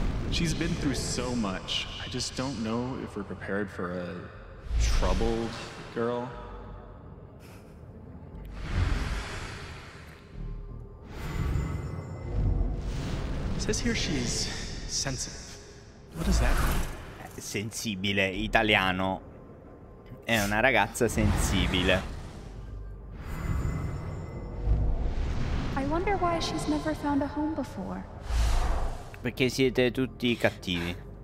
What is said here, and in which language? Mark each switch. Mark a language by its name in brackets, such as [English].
[English] She's been through so much. I just don't know if we're prepared for a troubled girl. It says here she's sensitive. What does that mean? [Italian] Sensibile, italiano. È una ragazza sensibile. [English] I wonder why she's never found a home before. [Italian] Perché siete tutti cattivi.